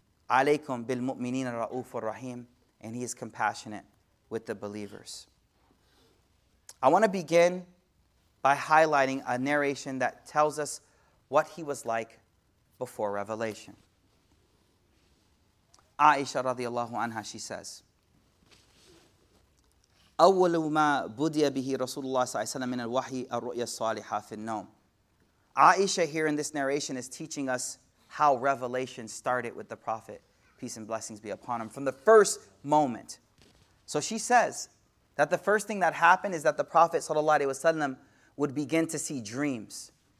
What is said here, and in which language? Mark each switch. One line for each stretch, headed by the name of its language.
Arabic: Alaykum bil mu'minina ra'ufur rahim,
English: and he is compassionate with the believers. I want to begin by highlighting a narration that tells us what he was like before revelation.
Arabic: Aisha radiallahu anha,
English: she says,
Arabic: أول ما بدي به رسول الله صلى الله عليه وسلم من الوحي الرؤيا الصالحة في النوم.
English: Aisha here in this narration is teaching us how revelation started with the Prophet, peace and blessings be upon him, from the first moment. So she says that the first thing that happened is that the Prophet sallallahu alaihi wasallam would begin to see dreams.